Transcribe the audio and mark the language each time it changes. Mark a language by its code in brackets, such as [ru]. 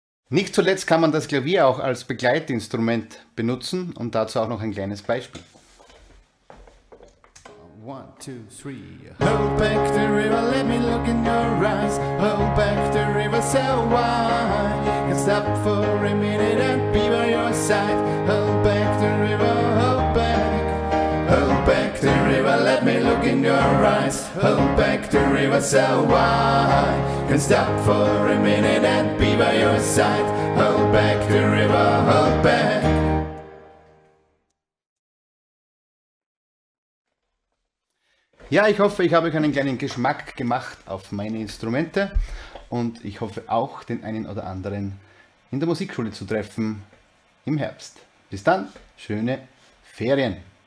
[de] Nicht zuletzt kann man das Klavier auch als Begleitinstrument benutzen und dazu auch noch ein kleines Beispiel. [en] One, two, three. Hold back the river, let me look in your eyes. Hold back the river, so why? Can't stop for a minute and be by your side. Hold back the river, hold back. Hold back the river, let me look in your eyes. Hold back the river, so why? Can't stop for a minute and be by your side. Hold back the river, hold back. [de] Ja, ich hoffe, ich habe euch einen kleinen Geschmack gemacht auf meine Instrumente und ich hoffe auch, den einen oder anderen in der Musikschule zu treffen im Herbst. Bis dann, schöne Ferien!